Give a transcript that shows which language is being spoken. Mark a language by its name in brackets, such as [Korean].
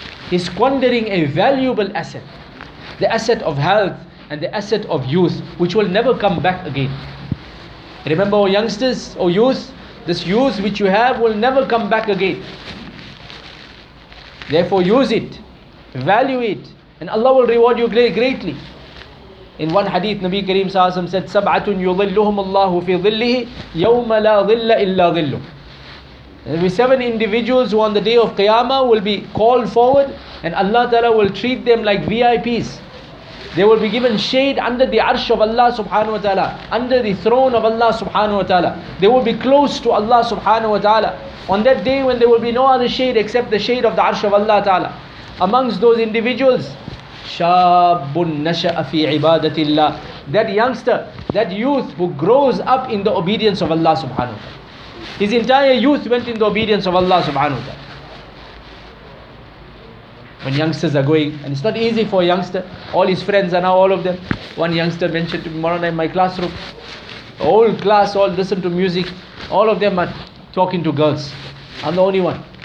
[English] He's squandering a valuable asset. The asset of health and the asset of youth, which will never come back again. Remember, O youngsters, O youth, this youth which you have will never come back again. Therefore, use it, value it, and Allah will reward you greatly. [Arabic] In one hadith, Nabi Kareem Sallallahu Alaihi Wasallam said, سَبْعَةٌ يُظِلُّهُمُ اللَّهُ فِي ظِلِّهِ يَوْمَ لَا ظِلَّ إِلَّا ظِلُّهُ. [English] There will be seven individuals who on the day of Qiyamah will be called forward, and Allah Ta'ala will treat them like VIPs. They will be given shade under the arsh of Allah Subhanahu Wa Ta'ala, under the throne of Allah Subhanahu Wa Ta'ala. They will be close to Allah Subhanahu Wa Ta'ala on that day when there will be no other shade except the shade of the arsh of Allah Ta'ala. [Arabic] Amongst those individuals, شَابٌ نَشَأَ فِي عِبَادَةِ اللَّهِ. [English] That youngster, that youth who grows up in the obedience of Allah Subhanahu Wa Ta'ala. His entire youth went in the obedience of Allah Subhanahu Wa Ta'ala. When youngsters are going, and it's not easy for a youngster, all his friends are now, all of them. One youngster mentioned to me, Morana, in my classroom, whole class all listen to music, all of them are talking to girls. I'm the only one.